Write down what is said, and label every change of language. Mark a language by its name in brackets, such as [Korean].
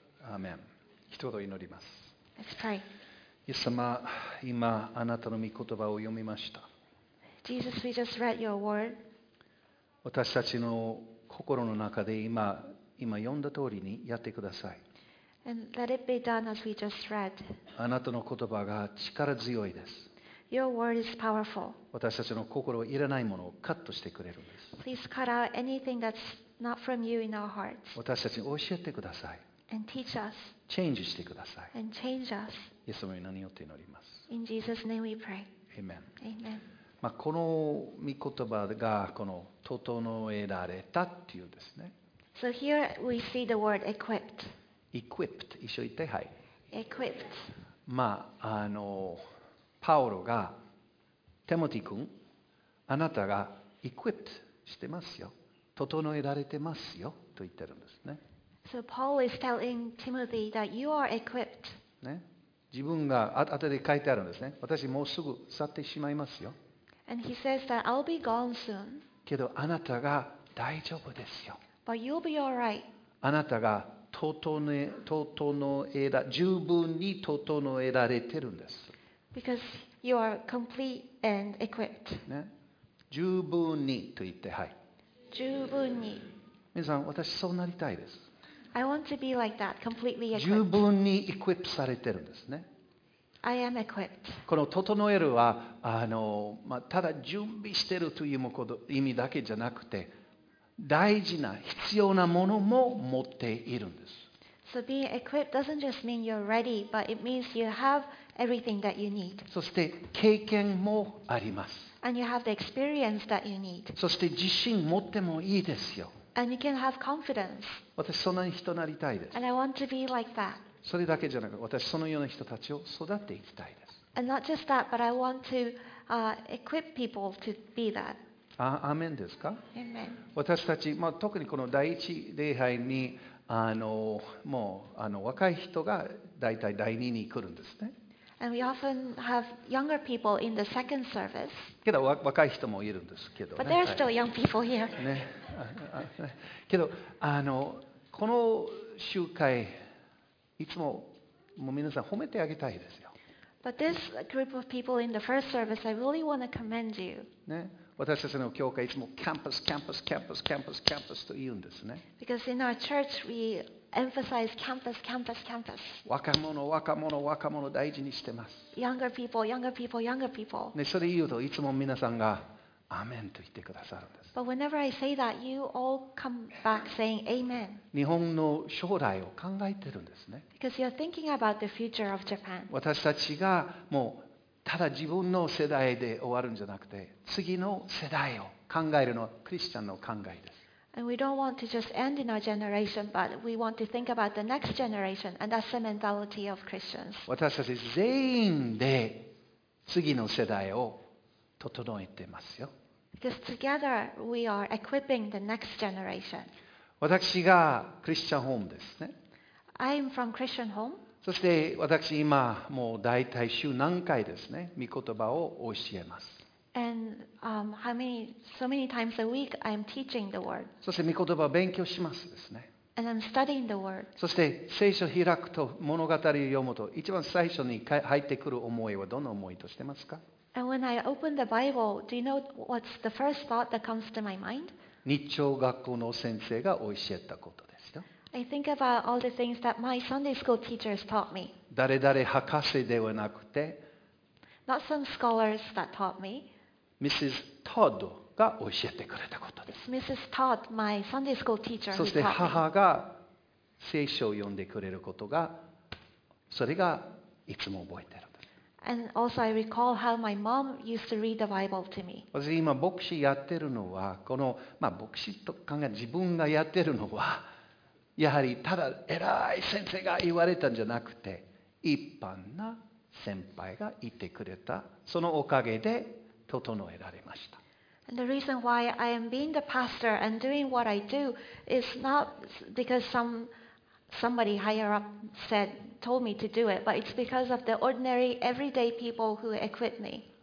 [Japanese] アーメン。一言祈ります。 [English] Let's pray. [Japanese] イエス様、今あなたの御言葉を読みました。 [English] Jesus, we just read your word. [Japanese] 私たちの心の中で今読んだ通りにやってください。 [English] And let it be done as we just read. [Japanese] あなたの言葉が力強いです。 [English] Your word is powerful. [Japanese] 私たちの心をいらないものをカットしてくれるんです。 [English] Please cut out anything that's not from you in our hearts. [Japanese] 私たちに教えてください。 [English] And teach us. [Japanese] チェンジしてください。 [English] And change us. [Japanese] イエス様の名によって祈ります。 [English] In Jesus' name we pray. Amen. Amen. [Japanese] まあ、この御言葉がこの整えられたっていうですね。 [English] So here we see the word equipped. [Japanese] Equipped. 一緒言って、はい。 [English] Equipped. [Japanese] まあ、パウロがテモティ君、あなたがエクイプトしてますよ、整えられてますよと言ってるんですね。 [English] So Paul is telling Timothy that you are equipped. [Japanese] ね、自分が後で書いてあるんですね。私もうすぐ去ってしまいますよ。 [English] And he says that I'll be gone soon. [Japanese] けどあなたが大丈夫ですよ。 [English] But you'll be all right. [Japanese] あなたが十分に整えられてるんです。 [English] Because you are complete and equipped. [Japanese] ね、十分にと言って、はい。十分に。皆さん、私そうなりたいです。 [English] I want to be like that, completely equipped. [Japanese] 十分に equipped されてるんですね。 [English] I am equipped. [Japanese] この整えるは、まあ、ただ準備してるという意味だけじゃなくて、大事な必要なものも持っているんです。 [English] So being equipped doesn't just mean you're ready, but it means you have everything that you need. [Japanese] そして経験もあります。 [English] And you have the experience that you need. [Japanese] そして自信持ってもいいですよ。 [English] And you can have confidence. [Japanese] 私そんな人になりたいです。 [English] And I want to be like that. [Japanese] それだけじゃなくて、私そのような人たちを育っていきたいです。 [English] And not just that, but I want to equip people to be that. [Japanese] アーメンですか？ [English] Amen. [Japanese] 私たち、まあ、特にこの第一礼拝にもう若い人が大体第二に来るんですね。 [English] And we often have younger people in the second service. [Japanese] けど若い人もいるんですけどね。 [English] But there are still young people here. [Japanese] ね。けどこの集会いつももう皆さん褒めてあげたいですよ。 [English] But this group of people in the first service, I really want to commend you. [Japanese] ね。私たちの教会いつもキャンパス、キャンパス、キャンパス、キャンパス、キャンパスと言うんですね。 [English] Because in our church we emphasize campus, campus, campus. [Japanese] 若者、若者、若者を大事にしてます。 [English] Younger people, younger people, younger people. [Japanese] ね、それ言うといつも皆さんがアーメンと言ってくださるんです。 [English] But whenever I say that, you all come back saying amen. [Japanese] 日本の将来を考えてるんですね。 [English] Because you're thinking about the future of Japan. [Japanese] 私たちがもうただ自分の世代で終わるんじゃなくて、次の世代を考えるのはクリスチャンの考えです。 [English] And we don't want to just end in our generation, but we want to think about the next generation, and that's the mentality of Christians. [Japanese] 私たち全員で次の世代を整えてますよ。 [English] Because together we are equipping the next generation. [Japanese] 私がクリスチャンホームですね。 [English] I'm from Christian home. [Japanese] そして私今もう大体週何回ですね、御言葉を教えます。 [English] And how many, so many times a week I'm teaching the word. [Japanese] そして御言葉を勉強しますですね。 [English] And I'm studying the word. [Japanese] そして聖書開くと物語を読むと一番最初に入ってくる思いはどの思いとしてますか？ [English] And when I open the Bible, do you know what's the first thought that comes to my mind? [Japanese] 日朝学校の先生が教えたことですよ。 [English] I think about all the things that my Sunday school teachers taught me. [Japanese] 誰々博士ではなくて、 [English] Not some scholars that taught me. [Japanese] Mrs. Todd が教えてくれたことです。 [English] Mrs. Todd, my Sunday school teacher. [Japanese] そして母が聖書を読んでくれることが、それがいつも覚えてる。 [English] And also, I recall how my mom used to read the Bible to me. [Japanese] 私今牧師やってるのは、このまあ牧師と考え自分がやってるのは、やはりただ偉い先生が言われたんじゃなくて、一般な先輩がいてくれた、そのおかげで整えられました。 [English] And the reason why I am being the pastor and doing what I do is not because somebody higher up said, told me to do it, but it's because of the ordinary everyday people who equip me.